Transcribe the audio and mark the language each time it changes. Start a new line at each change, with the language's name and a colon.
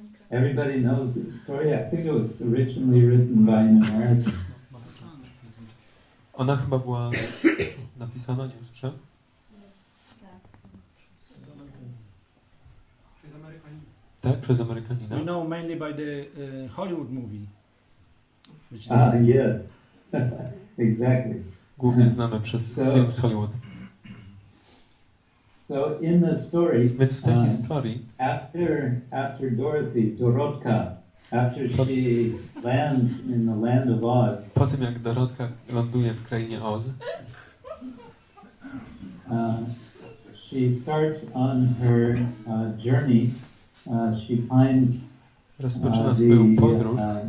English: Everybody knows this story. I think it was originally written by an American.
Polish: Ona chyba była napisana, nie usłyszałem? Tak, przez Amerykanina.
English: You know, mainly by the Hollywood movie. Yes. Exactly.
Polish: Głównie znamy przez film z Hollywood.
English: So in the story,
Polish: więc w tej historii,
English: after Dorothy, Dorotka, after she lands in the land of Oz.
Polish: Po tym jak Dorotka ląduje w krainie Oz.
English: She starts on her journey. She finds
Polish: rozpoczyna swoją podróż.